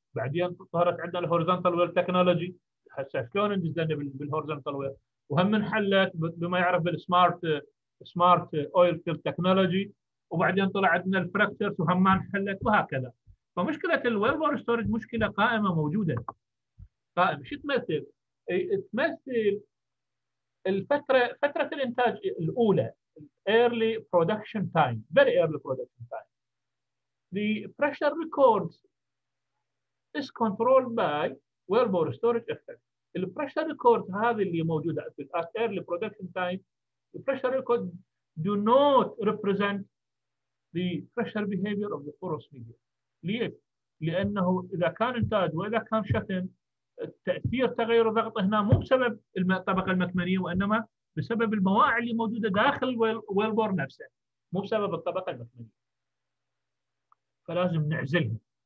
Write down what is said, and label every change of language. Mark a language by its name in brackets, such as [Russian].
[Arabic] بعدين ظهرت عندنا الـ horizontal well technology، هسه شلون ننزلنا بالـ horizontal well، وهم انحلت بما يعرف بالـ smart oil field technology، وبعدين طلع عندنا الفراكتورز وهم ما انحلت، وهكذا. فمشكلة الويلبور ستورج مشكلة قائمة موجودة قائمة. شو تمثل؟ تمثل فترة الانتاج الأولى [English] early production time very early production time. The pressure records is controlled by whirlpool storage effect. The pressure record [Arabic] هذه اللي موجودة [English] at early production time, the pressure record do not represent the pressure behavior of the porous media. [Arabic] ليش؟ لأنه إذا كان إنتاج وإذا كان شتم، تأثير تغير الضغط هنا مو بسبب الطبقة المكمنية، وإنما بسبب المواعي اللي موجودة داخل ويلبور نفسه، مو بسبب الطبقة المكمنية. فلازم نعزلها.